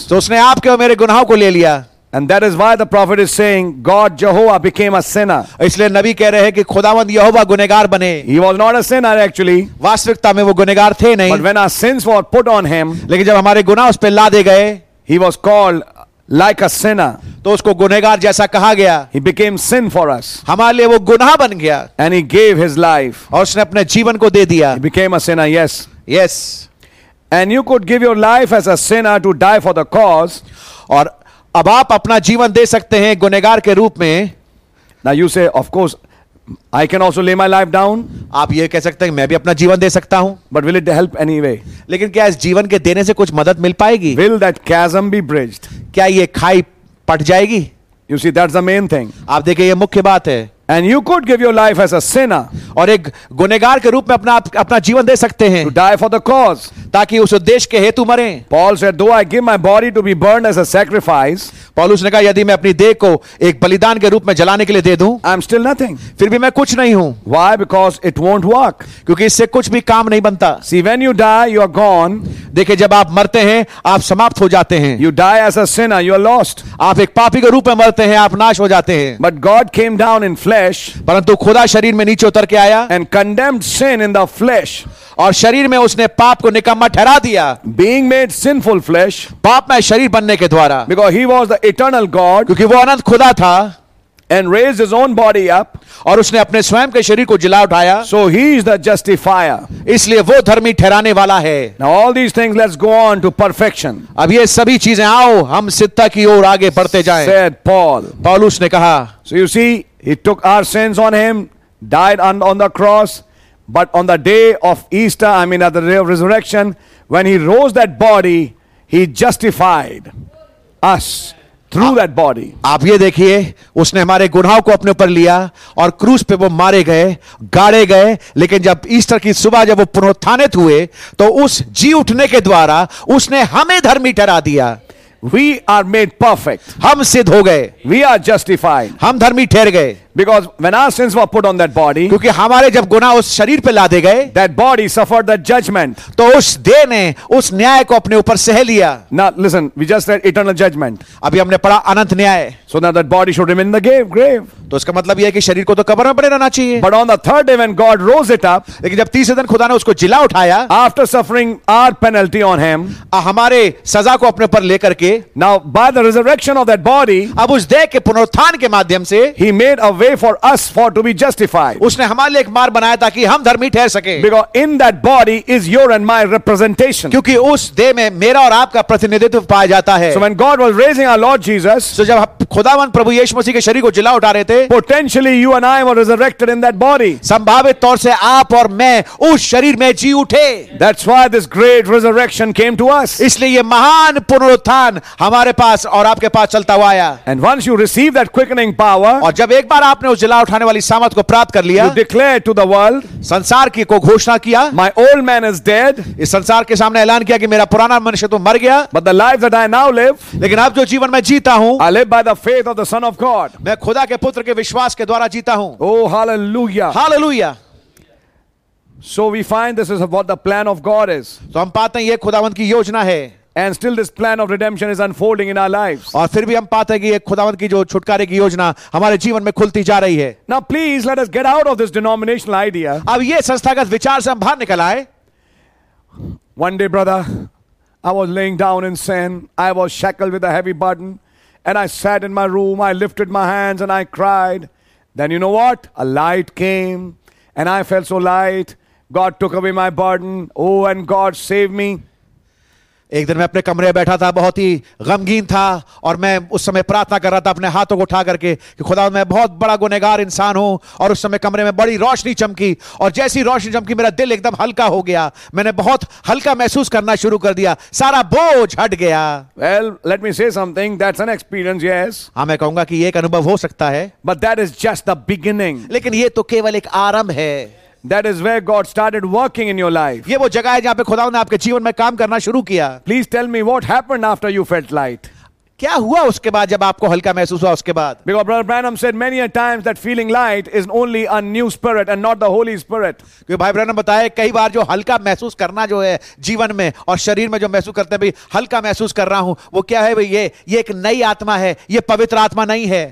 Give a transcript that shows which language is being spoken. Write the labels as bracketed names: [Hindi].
[Hindi] So उसने आपके और मेरे गुनाहों को ले लिया. [English] And that is why the prophet is saying, God Jehovah became a sinner. [Hindi] इसलिए नबी कह रहे हैं कि खुदावंद यहोवा गुनेगार बने. [English] He was not a sinner actually. [Hindi] वास्तविकता में वो गुनेगार थे नहीं. [English] But when our sins were put on him, [Hindi] लेकिन जब हमारे गुनाह उस पे लादे गए, [English] he was called like a sinner. [Hindi] तो उसको गुनेगार जैसा कहा गया. [English] He became sin for us. [Hindi] हमारे लिए वो गुनाह बन गया. [English] And he gave his life. [Hindi] और उसने अपने जीवन को दे दिया. [English] He became a sinner. Yes. Yes. And you could give your life as a sinner to die for the cause. [Hindi] और अब आप अपना जीवन दे सकते हैं गुनेगार के रूप में. [English] Now you say, of course, I can also lay my life down. [Hindi] आप ये कह सकते हैं मैं भी अपना जीवन दे सकता हूं. [English] But will it help anyway? [Hindi] लेकिन क्या इस जीवन के देने से कुछ मदद मिल पाएगी? [English] Will that chasm be bridged? [Hindi] क्या ये खाई पट जाएगी? [English] You see, that's the main thing. [Hindi] आप देखिए ये मुख्य बात है. [English] And you could give your life as a sinner. [Hindi] और एक गुनेगार के रूप में अपना जीवन दे सकते हैं. [English] To die for the cause. [Hindi] ताकि उस देश के हेतु मरें. [English] Paul said, though I give my body to be burned as a sacrifice. [Hindi] पौलुस ने कहा यदि मैं अपनी देह को एक बलिदान के रूप में जलाने के लिए दे दूं. [English] I'm still nothing. [Hindi] फिर भी मैं कुछ नहीं हूं. [English] Why? Because it won't work. [Hindi] क्योंकि इससे कुछ भी काम नहीं बनता. [English] See, when you die, you are gone. [Hindi] देखिए जब आप मरते हैं आप समाप्त हो जाते हैं. [English] You die as a sinner, you are lost. [Hindi] आप एक पापी के रूप में मरते हैं आप नाश हो जाते हैं. [English] But God came down in flesh. [Hindi] परंतु खुदा शरीर में नीचे उतर के आया. [English] And condemned sin in the flesh. [Hindi] और शरीर में उसने पाप को निकम्मा ठहरा दिया. [English] Being made sinful flesh. [Hindi] पाप में शरीर बनने के द्वारा. [English] Because he was the eternal God. [Hindi] क्योंकि वो अनंत खुदा था. [English] And raised his own body up. [Hindi] और उसने अपने स्वयं के शरीर को जिला उठाया. [English] So he is the justifier. [Hindi] इसलिए वो धर्मी ठहराने वाला है. [English] Now all these things, let's go on to perfection. [Hindi] अब ये सभी चीजें आओ हम सिद्धता की ओर आगे बढ़ते जाएं. [English] Said Paul. [Hindi] पौलुस ने कहा. [English] So you see, he took our sins on him, died on the cross. But on the day of Easter, at the day of resurrection, when he rose that body, he justified us. Through that body. [Hindi] आप ये देखिए उसने हमारे गुनाहों को अपने ऊपर लिया और क्रूस पे वो मारे गए गाड़े गए लेकिन जब ईस्टर की सुबह जब वो पुनरुत्थानित हुए तो उस जी उठने के द्वारा उसने हमें धर्मी ठहरा दिया. [English] We are made perfect. [Hindi] हम सिद्ध हो गए. [English] We are justified. [Hindi] हम धर्मी ठहर गए. [English] Because when our sins were put on that body, [Hindi] क्योंकि हमारे जब गुनाह उस शरीर पे लादे गए, [English] that body suffered that judgment. [Hindi] तो उस देह ने उस न्याय को अपने ऊपर सह लिया. [English] Now listen, we just read eternal judgment. [Hindi] अभी हमने पढ़ा अनंत न्याय. [English] So now that body should remain in the grave. [Hindi] तो इसका मतलब यह है कि शरीर को तो कब्र में पड़े रहना चाहिए. [English] But on the third day when God rose it up, [Hindi] लेकिन जब तीसरे दिन खुदा ने उसको जिला उठाया, [English] after suffering our penalty on him, [Hindi] हमारे सजा को अपने ऊपर लेकर के, [English] now by the resurrection of that body, [Hindi] अब उस देह के पुनरुत्थान के माध्यम से, [English] he made a way for us for to be justified. [Hindi] उसने हमारे लिए एक मार्ग बनाया ताकि हम धर्मी ठहर सके. [English] Because in that body is your and my representation. [Hindi] क्योंकि उस देह में मेरा और आपका प्रतिनिधित्व पाया जाता है. [English] So when God was raising our Lord Jesus, [Hindi] so जब खुदावन प्रभु यीशु मसीह के शरीर को जिला उठा रहे थे, [English] potentially you and I were resurrected in that body. [Hindi] संभावित तौर से आप और मैं उस शरीर में जी उठे. [English] That's why this great resurrection came to us. [Hindi] इसलिए ये महान पुनरुत्थान हमारे पास और आपके पास चलता हुआ आया. [English] And once you receive that quickening power, [Hindi] और जब एक बार आपने उस जिला उठाने वाली सामर्थ को प्राप्त कर लिया, [English] you declare to the world, [Hindi] संसार की को घोषणा किया, [English] my old man is dead, [Hindi] इस संसार के सामने ऐलान किया कि मेरा पुराना मनुष्य तो मर गया, [English] but the life that I now live, [Hindi] लेकिन अब जो जीवन मैं जीता हूँ, [English] I live by the faith of the Son of God, [Hindi] मैं खुदा के पुत्र के विश्वास के द्वारा जीता हूँ. [English] Oh hallelujah, hallelujah. So we find this is what the plan of God is. [Hindi] तो हम पाते हैं ये खुदावंत की योजना है. [English] And still this plan of redemption is unfolding in our lives. [Hindi] और फिर भी हम पाते हैं कि ये खुदावंत की जो छुटकारे की योजना हमारे जीवन में खुलती जा रही है. [English] Now please let us get out of this denominational idea. [Hindi] अब ये संस्थागत विचार से हम बाहर निकल आए. [English] One day, brother, I was laying down in sin. I was shackled with a heavy burden, and I sat in my room. I lifted my hands and I cried. Then you know what? A light came, and I felt so light. God took away my burden. Oh, and God saved me. [Hindi] एक दिन मैं अपने कमरे में बैठा था, बहुत ही गमगीन था, और मैं उस समय प्रार्थना कर रहा था अपने हाथों को उठा करके कि खुदा मैं बहुत बड़ा गुनहगार इंसान हूं. और उस समय कमरे में बड़ी रोशनी चमकी, और जैसी रोशनी चमकी मेरा दिल एकदम हल्का हो गया. मैंने बहुत हल्का महसूस करना शुरू कर दिया, सारा बोझ हट गया. [English] Well, let me say something. That's an experience, yes. [Hindi] हाँ, मैं कहूंगा कि एक अनुभव हो सकता है. [English] But that is just the beginning. [Hindi] लेकिन ये तो केवल एक आरंभ है. [English] That is where God started working in your life. [Hindi] ये वो जगह है जहाँ पे खुदा ने आपके जीवन में काम करना शुरू किया. [English] Please tell me what happened after you felt light. [Hindi] क्या हुआ उसके बाद जब आपको हल्का महसूस हुआ उसके बाद? [English] Because Brother Branham said many a times that feeling light is only a new spirit and not the Holy Spirit. [Hindi] क्योंकि भाई ब्रैनम बताए कई बार जो हल्का महसूस करना जो है जीवन में और शरीर में जो महसूस करते हैं भाई हल्का महसूस कर रहा हूँ वो क्या है भाई ये एक नई आत्मा है, ये पवित्र आत्मा नहीं है.